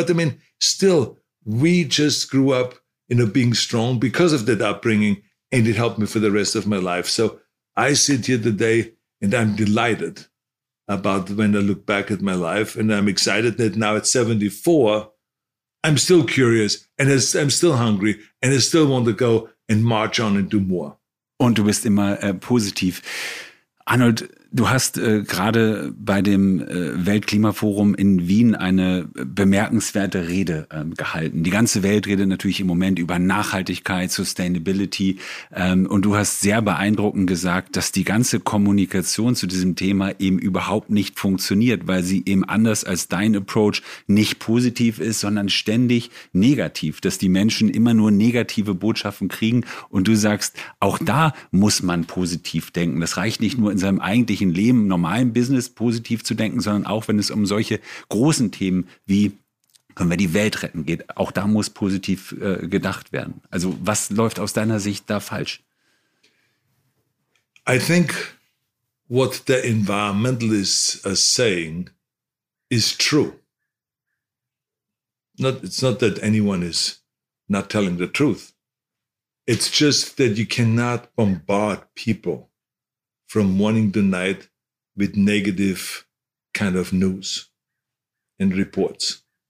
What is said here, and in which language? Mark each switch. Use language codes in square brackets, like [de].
[en] But I mean, still, we just grew up, you know, being strong because of that upbringing, and it helped me for the rest of my life. So I sit here today and I'm delighted about when I look back at my life. And I'm excited that now at 74, I'm still curious and I'm still hungry and I still want to go and march on and do more. [de] Und du bist immer positiv. Arnold, du hast gerade bei dem Weltklimaforum in Wien eine bemerkenswerte Rede gehalten. Die ganze Welt redet natürlich im Moment über Nachhaltigkeit, Sustainability. Und du hast sehr beeindruckend gesagt, dass die ganze Kommunikation zu diesem Thema eben überhaupt nicht funktioniert, weil sie eben anders als dein Approach nicht positiv ist, sondern ständig negativ. Dass die Menschen immer nur negative Botschaften kriegen. Und du sagst, auch da muss man positiv denken. Das reicht nicht nur in seinem eigentlichen Leben, im normalen Business positiv zu denken, sondern auch wenn es um solche großen Themen wie, können wir die Welt retten, geht, auch da muss positiv gedacht werden. Also was läuft aus deiner Sicht da falsch? [en] I think what the environmentalists are saying is true. It's not that anyone is not telling the truth. It's just that you cannot bombard people from morning to night with negative kind of news and reports.